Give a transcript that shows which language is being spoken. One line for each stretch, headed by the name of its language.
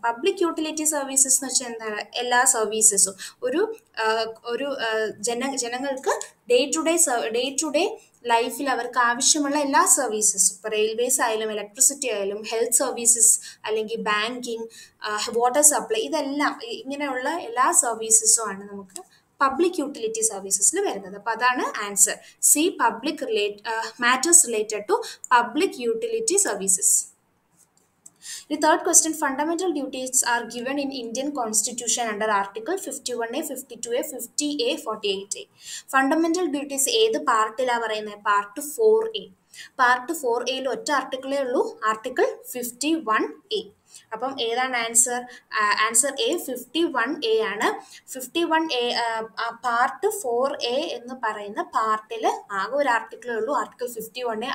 Malayalam: Public utility services എന്ന് വെച്ചാൽ എന്താണ്? എല്ലാ സർവീസസും ഒരു ഒരു ജനങ്ങൾക്ക് ഡേ ടു ഡേ ലൈഫിൽ അവർക്ക് ആവശ്യമുള്ള എല്ലാ സർവീസസ്, ഇപ്പോൾ റെയിൽവേസ് ആയാലും ഇലക്ട്രിസിറ്റി ആയാലും ഹെൽത്ത് സർവീസസ് അല്ലെങ്കിൽ ബാങ്കിങ് വാട്ടർ സപ്ലൈ ഇതെല്ലാം ഇങ്ങനെയുള്ള എല്ലാ സർവീസസും ആണ് നമുക്ക് പബ്ലിക് യൂട്ടിലിറ്റി സർവീസസിൽ വരുന്നത്. അപ്പോൾ അതാണ് answer.
English: C public matters related to public utility services. The third question, fundamental duties are given in Indian constitution under article 51A, 52A, 50A, 48A.
Malayalam: Fundamental duties ഏത് പാർട്ടിൽ ആ പറയുന്നത്? Part 4A. പാർട്ട് 4A യിൽ ഒറ്റ ആർട്ടിക്കിളേ ഉള്ളൂ, article 51A. അപ്പം ഏതാണ് answer? Answer A 51A ആണ്. 51A പാർട്ട് 4A എന്ന് പറയുന്ന പാർട്ടിൽ ആകെ ഒരു ആർട്ടിക്കിളേ ഉള്ളൂ, ആർട്ടിക്കിൾ 51A.